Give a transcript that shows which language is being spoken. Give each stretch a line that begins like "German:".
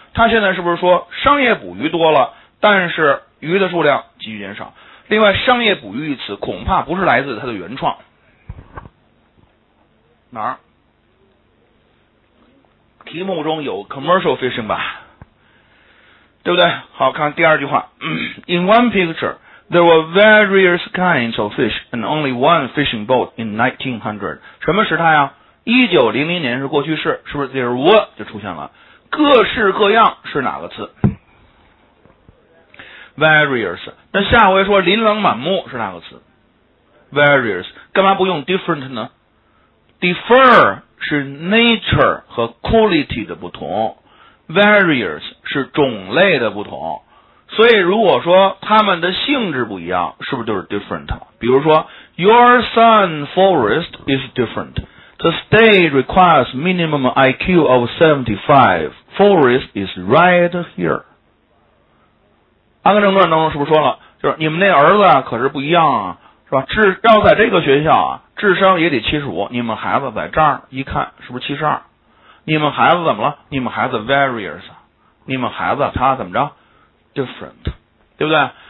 Chinese: 他现在是不是说商业捕鱼多了，但是鱼的数量急剧减少？另外商业捕鱼一词恐怕不是来自他的原创。哪儿？题目中有 commercial fishing 吧，对不对？好，看第二句话。
English: In one picture, there were various kinds of fish and only one fishing boat in 1900.
Chinese: 什么时态啊？ 1900年是过去式，是不是 there were 就出现了？各式各样是哪个词？ various。那下回说琳琅满目是哪个词？various。干嘛不用 different 呢？differ 是 nature 和 quality 的不同， various 是种类的不同，所以如果说它们的性质不一样，是不是就是 different？
English: 比如说 your son forest is different, the state requires minimum IQ of 75, forest is right here。
Chinese: 阿根正传当中是不是说了，就是你们那儿子可是不一样啊，是吧？要在这个学校啊，智商也得75，你们孩子在这儿一看是不是72？你们孩子怎么了？你们孩子 various, 你们孩子他怎么着 different, 对不对？